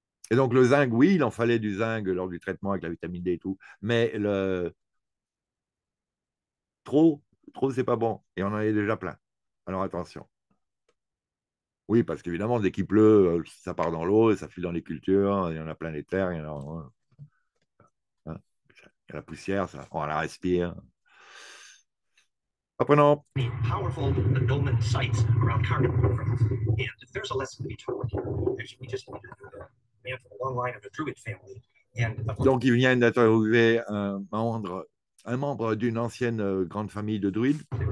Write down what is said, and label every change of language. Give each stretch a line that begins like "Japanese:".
French: Et donc le zinc, oui, il en fallait du zinc lors du traitement avec la vitamine D et tout, mais trop, c'est pas bon. Et on en est déjà plein. Alors attention. Oui, parce qu'évidemment, dès qu'il pleut, ça part dans l'eau, ça file dans les cultures, il y en a plein les terres, il y a la poussière, ça, on la respire.
English: Powerful dolmen sites around Karnak, and there's a lesson to be taught. We just need to know the man from the long line of the Druid family
French: Donc, ils viennent d'interviewer un membre d'une ancienne grande famille de druides.